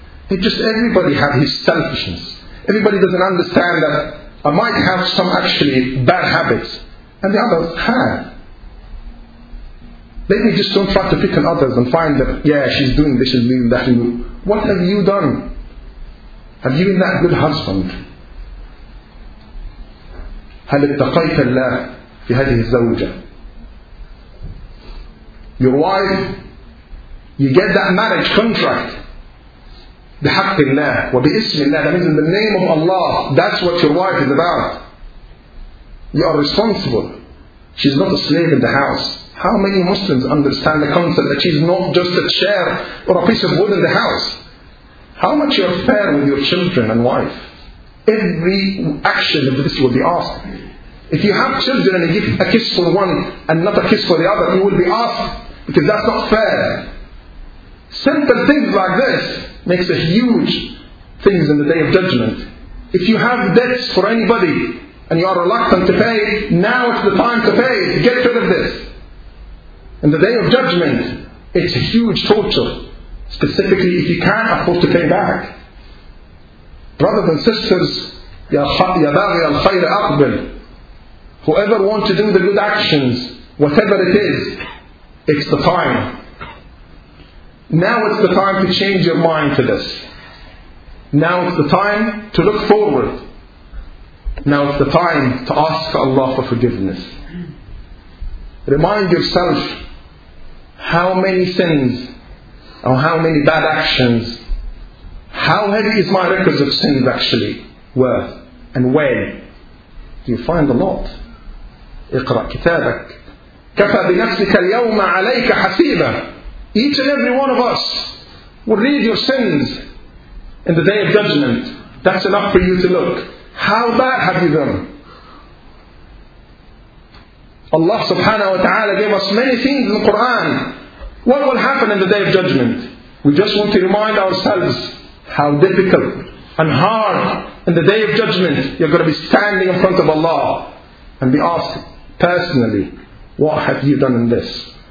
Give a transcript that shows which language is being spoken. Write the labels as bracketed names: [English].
[English] It's just everybody has his selfishness. Everybody doesn't understand that I might have some actually bad habits, and the others have. Let me just don't try to pick on others and find that, yeah, she's doing this and doing that. What have you done? Have you been that good husband? [Arabic] هل اتقيت الله في هذه الزوجة? [English] Your wife, you get that marriage contract [Arabic] بحق الله وباسم الله. [English] That means in the name of Allah. That's what your wife is about. You are responsible. She's not a slave in the house. How many Muslims understand the concept that she's not just a chair or a piece of wood in the house? How much you are fair with your children and wife? Every action of this will be asked. If you have children and you give a kiss for one and not a kiss for the other, you will be asked, because that's not fair. Simple things like this makes a huge things in the Day of Judgment. If you have debts for anybody and you are reluctant to pay, now is the time to pay. Get rid of this. In the Day of Judgment, it's a huge torture. Specifically, if you can't afford to pay back. Brothers and sisters, [Arabic] يَا بَغِيَ الْخَيْرِ أَقْبِلْ. [English] Whoever wants to do the good actions, whatever it is, it's the time. Now it's the time to change your mind to this. Now it's the time to look forward. Now it's the time to ask Allah for forgiveness. Remind yourself how many sins or how many bad actions, how heavy is my records of sins actually worth, and when? You find a lot. [Arabic] اقرأ كتابك كفى بنفسك اليوم عليك حسيبا. [English] Each and every one of us will read your sins in the Day of Judgment. That's enough for you to look. How bad have you done? Allah subhanahu wa ta'ala gave us many things in the Quran. What will happen in the Day of Judgment? We just want to remind ourselves how difficult and hard in the Day of Judgment you're going to be standing in front of Allah and be asked personally, what have you done in this?